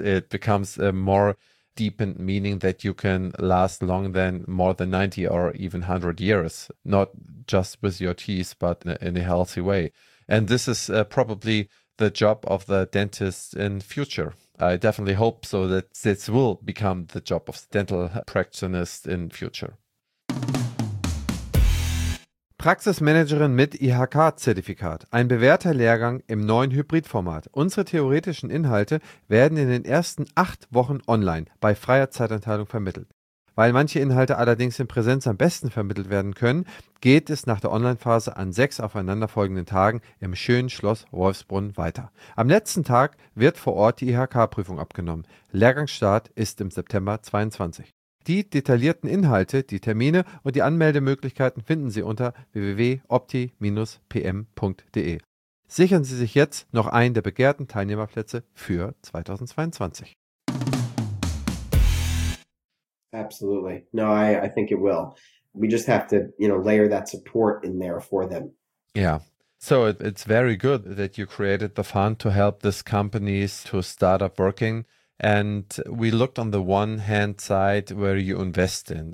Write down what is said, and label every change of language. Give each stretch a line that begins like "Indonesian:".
English: It becomes a more deepened meaning that you can last long than more than 90 or even 100 years, not just with your teeth, but in a healthy way. And this is probably the job of the dentist in future. I definitely hope so that this will become the job of the dental practitioners in future.
German: Praxismanagerin mit IHK-Zertifikat, ein bewährter Lehrgang im neuen Hybridformat. Unsere theoretischen Inhalte werden in den ersten 8 Wochen online bei freier Zeiteinteilung vermittelt. Weil manche Inhalte allerdings in Präsenz am besten vermittelt werden können, geht es nach der Online-Phase an 6 aufeinanderfolgenden Tagen im schönen Schloss Wolfsbrunn weiter. Am letzten Tag wird vor Ort die IHK-Prüfung abgenommen. Lehrgangsstart ist im September 2022. Die detaillierten Inhalte, die Termine und die Anmeldemöglichkeiten finden Sie unter www.opti-pm.de. Sichern Sie sich jetzt noch einen der begehrten Teilnehmerplätze für 2022.
English: Absolutely. No, I think it will. We just have to, you know, layer that support in there for them. Yeah. So it's very good that you created the fund to help these companies to start up working. And we looked on the one hand side where you invest in.